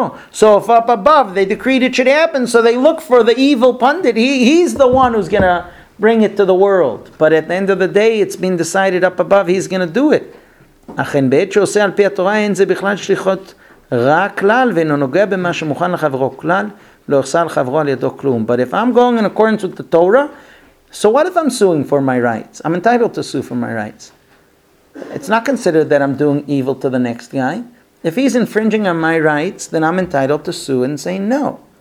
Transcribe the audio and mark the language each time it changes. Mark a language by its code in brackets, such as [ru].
[en] So if up above they decreed it should happen, so they look for the evil pundit. He's the one who's going to bring it to the world. But at the end of the day, it's been decided up above he's going to do it. [he] אכן בעת שעושה על פי התורה אין זה בכלל שליחות רע כלל ואינו נוגע במה שמוכן לחברו כלל. [en] But if I'm going in accordance with the Torah, so what if I'm suing for my rights? I'm entitled to sue for my rights. It's not considered that I'm doing evil to the next guy. If he's infringing on my rights, then I'm entitled to sue and say no.